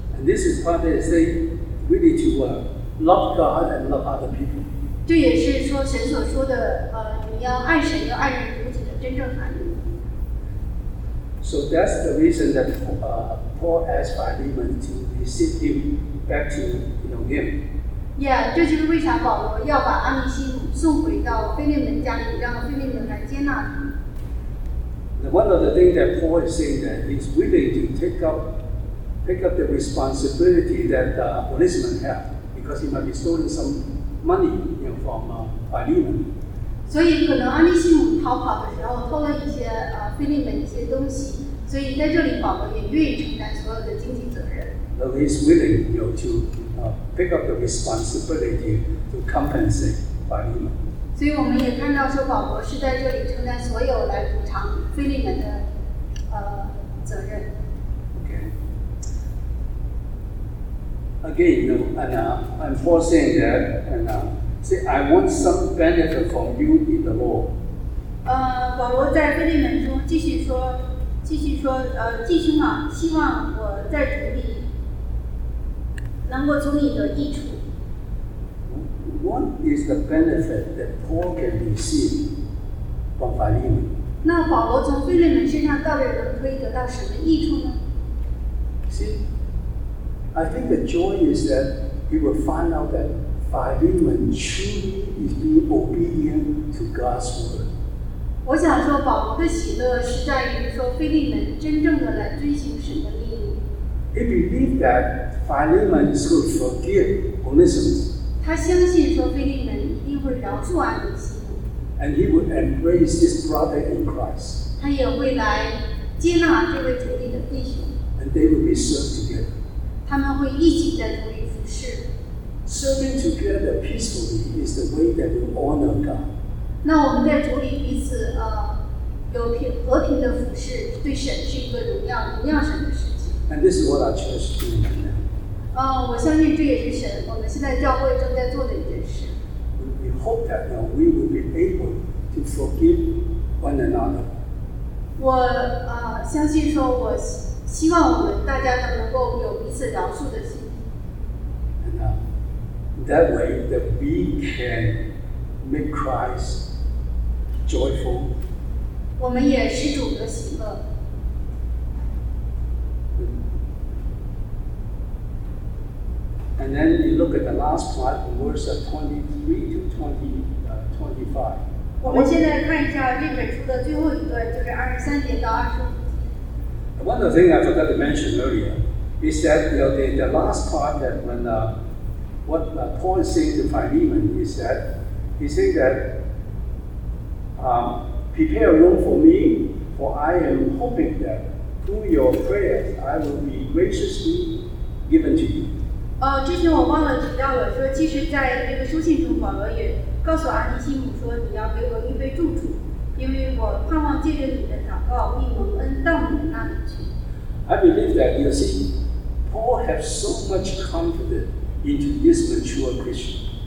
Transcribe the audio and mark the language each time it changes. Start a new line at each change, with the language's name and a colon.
English: And this is part that is really to love God and love other people.
Chinese: 这也是说神所说的你要爱神要爱人如己的真正含义。
English: So that's the reason that Paul asked Philemon to receive him back to him.
Chinese: Yeah, 这就是为啥保罗要把阿尼西姆送回到腓利门家里，让腓利门来接纳他。
English: One of the things that Paul is saying that he's willing to take up the responsibility that Onesimus had because because he might be stolen some money, you know, from Philemon.
Chinese: 所以可能阿尼西姆逃跑的时候偷了一些腓利门的一些东西，所以在这里保罗也愿意承担所有的经济责任。
English: Though he's willing, you know, to pick up the responsibility to compensate Philemon.
Chinese: 所以我们也看到说保罗是在这里承担所有来补偿腓利门的责任。
English: Again, you know, and I'm foreseeing that, and say, I want some benefit from you in the Lord.
Chinese: 保罗在腓利门中继续说，弟兄啊，希望我在主里能够从你得益处。
English: What is the benefit that Paul can receive from Philemon?
Chinese: 那保罗从腓利门身上到底能可以得到什么益处呢？
English: See, I think the joy is that we will find out that Philemon truly is being obedient to God's word.
Chinese: 我想说，保罗的喜乐是在于说，腓利门真正的来遵行神的命令。
English: He believed that Philemon is going to forgive Onesimus.
Chinese: 他相信说，腓利门一定会饶恕阿尼西姆。
English: And he would embrace his brother in Christ.
Chinese: 他也会来接纳这位主里的弟兄。
English: And they will be served together.
Chinese: 他们会一起在主里服侍。
English: Serving together peacefully is the way that we honor God.
Chinese: 那我们在主里彼此有平和平的服侍，对神是一个荣耀神的事情。
English: And this is what our church is doing now.
Chinese: 我相信这也是神我们现在教会正在做的一件事。
English: We hope that now we will be able to forgive one another.
Chinese: 我相信说，我希望我们大家都能够有彼此饶恕的心。
English: That way that we can make Christ joyful.
Chinese: 我们也是主的喜乐。
English: And then you look at the last part, verse 23 to 25.
Chinese: 我们现在看一下这本书的最后一段，就是23节到25节。
English: One of the things I forgot to mention earlier is that, you know, the last part that when what Paul is saying to Philemon is that he's saying that prepare a room for me, for I am hoping that through your prayers I will be graciously given to you.
Chinese: 之前我忘了提到了说，其实在这个书信中，保罗也告诉阿尼西姆说，你要给我预备住处，因为我盼望借着你的祷告，必蒙恩到你那里去。
English: I believe that, you see, Paul has so much confidence into this mature Christian.